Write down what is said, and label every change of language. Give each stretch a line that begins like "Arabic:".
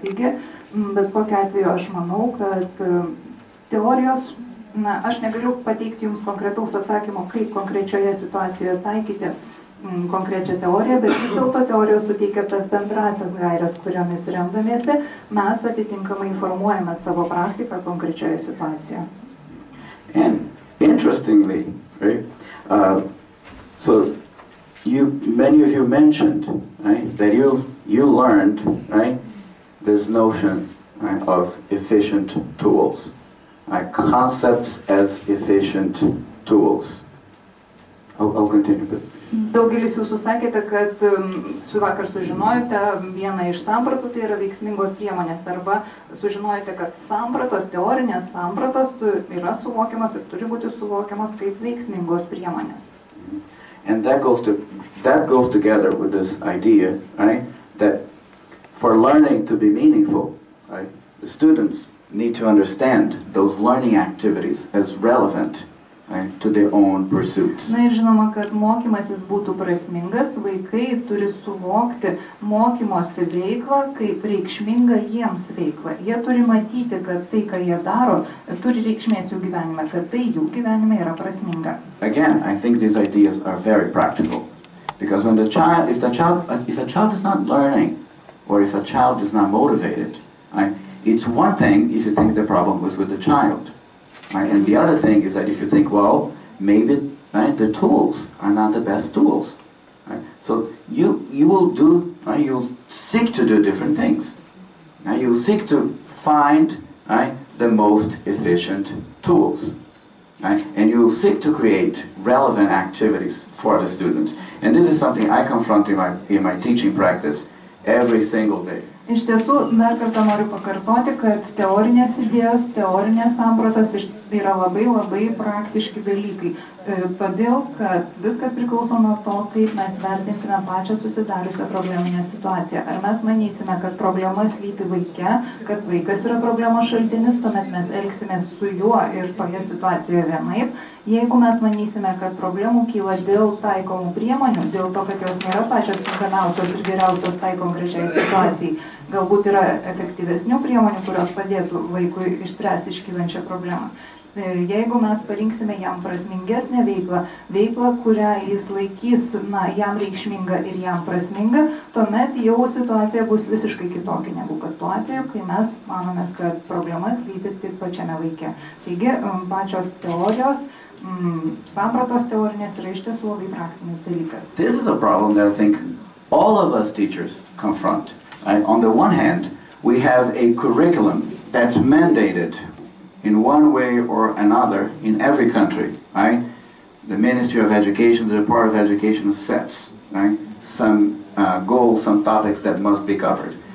Lithuanian: Taigi, bet kokiu atveju aš manau, kad teorijos, na, aš negaliu pateikti jums konkretaus atsakymo, kaip konkrečioje situacijoje taikyti konkrečią teoriją, bet vis dėlto teorijos suteikia tas bendrasias gairias, kuriomis remdamiesi, mes atitinkamai informuojame savo praktiką konkrečioje situacijoje.
English: And interestingly, right, so you, many of you mentioned, right, that you learned, right, this notion, right, of efficient tools, right, concepts as efficient tools. I'll continue.
Lithuanian: Daugelis jūsų sakėte, kad su vakar sužinojote vieną iš sampratų, tai yra veiksmingos priemonės, arba sužinojote, kad sampratos, teorinės sampratos yra suvokiamas ir turi būti suvokiamas kaip veiksmingos priemonės.
English: And that goes together with this idea, right, that for learning to be meaningful, right, the students need to understand those learning activities as relevant to their own pursuits.
Lithuanian: Na ir žinoma, kad mokymasis būtų prasmingas, vaikai turi suvokti mokymosi veiklą kaip reikšmingą jiems veiklą. Jie turi matyti, kad tai, ką jie daro, turi reikšmės jų gyvenime, kad tai jų gyvenime yra prasminga.
English: Again, I think these ideas are very practical. Because when the child, if a child is not learning, or if a child is not motivated, right, it's one thing if you think the problem was with the child. Right. And the other thing is that if you think, well, maybe, right, the tools are not the best tools. Right. So you will do, right, you'll seek to do different things. Now you'll seek to find, right, the most efficient tools. Right. And you'll seek to create relevant activities for the students. And this is something I confront in my teaching practice every single day.
Lithuanian: Iš tiesų, dar kartą noriu pakartoti, kad teorinės idėjos, teorinės sampratos yra labai labai praktiški dalykai. Todėl, kad viskas priklauso nuo to, kaip mes vertinsime pačią susidariusią probleminę situaciją. Ar mes manysime, kad problema slypi vaike, kad vaikas yra problemos šaltinis, tuomet mes elgsimės su juo ir toje situacijoje vienaip. Jeigu mes manysime, kad problemų kyla dėl taikomų priemonių, dėl to, kad jos nėra pačios tinkamiausios ir geriausios tai konkrečiai situacijai, galbūt yra efektyvesnių priemonių, kurios padėtų vaikui išspręsti iškylančią problemą. Jeigu mes parinksime jam prasmingesnę veiklą, kurią jis laikys, na, jam reikšminga ir jam prasminga, tuomet jau situacija bus visiškai kitokia negu kad tuo atveju, kai mes manome, kad problema slypi tik pačiame vaike. Taigi, pačios teorijos, sampratos teorinės yra iš tiesų labai praktinis dalykas.
English: This is a problem that I think all of us teachers confront. And on the one hand, we have a curriculum that's mandated in one way or another in every country, right? The Ministry of Education, the Department of Education sets, right, some goals, some topics that must be covered.